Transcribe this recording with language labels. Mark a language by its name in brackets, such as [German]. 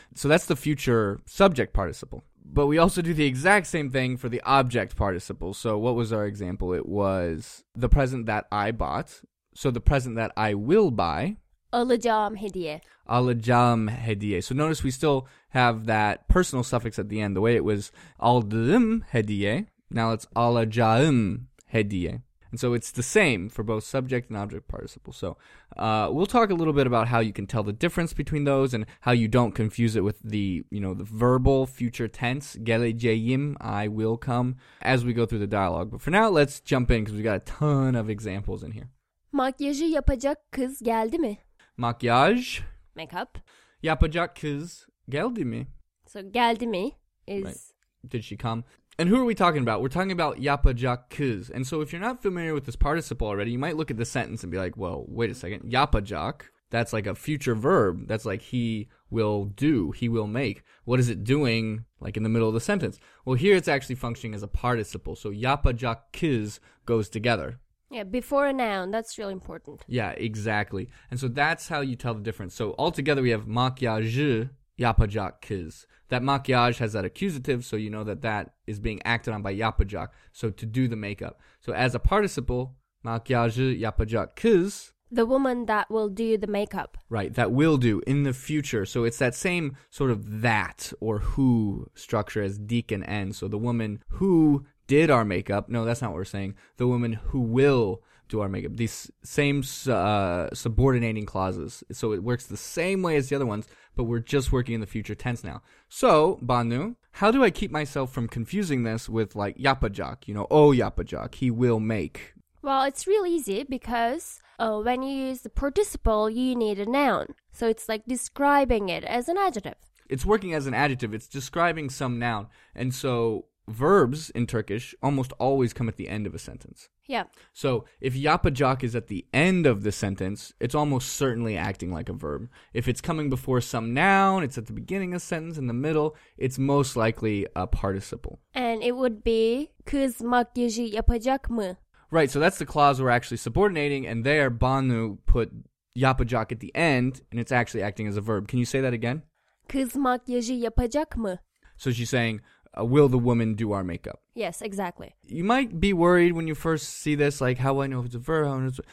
[English] So that's the future subject participle. But we also do the exact same thing for the object participle. So what was our example? It was the present that I bought. So the present that I will buy. [Turkish] Alacağım hediye. Alacağım hediye. [English] So notice we still have that personal suffix at the end. The way it was [Turkish] aldığım hediye. [English] Now it's [Turkish] alacağım hediye. [English] And so it's the same for both subject and object participle. So we'll talk a little bit about how you can tell the difference between those and how you don't confuse it with the verbal future tense, [Turkish] geleceğim, [English] I will come, as we go through the dialogue. But for now, let's jump in because we've got a ton of examples in here. [Turkish] Makyajı yapacak kız geldi mi? Makyaj. [English] Makeup. [Turkish] Yapacak kız geldi mi? [English] So [Turkish] geldi mi [English] is... Right. Did she come? And who are we talking about? We're talking about [Turkish] yapacak kız. [English] And so if you're not familiar with this participle already, you might look at the sentence and be like, well, wait a second. Yapacak, that's like a future verb. That's like he will do, he will make. What is it doing like in the middle of the sentence? Well, here it's actually functioning as a participle. So [Turkish] yapacak kız [English] goes together. Yeah, before a noun. That's really important. Yeah, exactly. And so that's how you tell the difference. So altogether we have [Turkish] makyajı yapacak kız. [English] That makyaj has that accusative, so you know that that is being acted on by yapacak, so to do the makeup. So as a participle, [Turkish] makyajı yapacak kız. [English] The woman that will do the makeup. Right, that will do in the future. So it's that same sort of that or who structure as dik and en. So the woman who did our makeup. No, that's not what we're saying. The woman who will do our makeup. These same subordinating clauses. So it works the same way as the other ones, but we're just working in the future tense now. So, Banu, how do I keep myself from confusing this with like yapacak, you know, [Turkish] o yapacak, [English] he will make? Well, it's real easy because when you use the participle, you need a noun. So it's like describing it as an adjective. It's working as an adjective. It's describing some noun. And so verbs in Turkish almost always come at the end of a sentence. Yeah. So if yapacak is at the end of the sentence, it's almost certainly acting like a verb. If it's coming before some noun, it's at the beginning of a sentence, in the middle, it's most likely a participle. And it would be [Turkish] kız makyajı yapacak mı? [English] Right, so that's the clause we're actually subordinating, and there Banu put yapacak at the end, and it's actually acting as a verb. Can you say that again? [Turkish] Kız makyajı yapacak mı? [English] So she's saying, will the woman do our makeup? Yes, exactly. You might be worried when you first see this, like, how will I know if it's a verb?